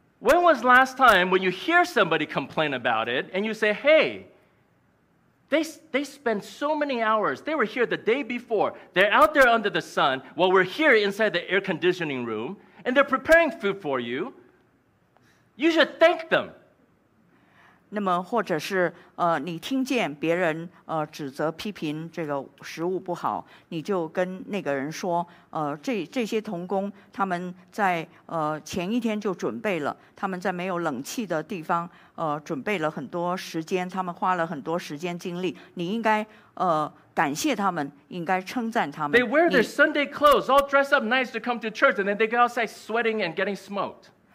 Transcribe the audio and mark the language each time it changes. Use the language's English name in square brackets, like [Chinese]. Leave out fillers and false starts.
[English] When was last time when you hear somebody complain about it and you say, hey, they spent so many hours, they were here the day before, they're out there under the sun while we're here inside the air conditioning room, and they're preparing food for you, you should thank them. [Chinese] 那么或者是你听见别人指责批评这个食物不好，你就跟那个人说这些童工他们在前一天就准备了，他们在没有冷气的地方准备了很多时间，他们花了很多时间精力，你应该感谢他们，应该称赞他们。 [English] They wear their Sunday clothes all dressed up nice to come to church, and then they go outside sweating and getting smoked.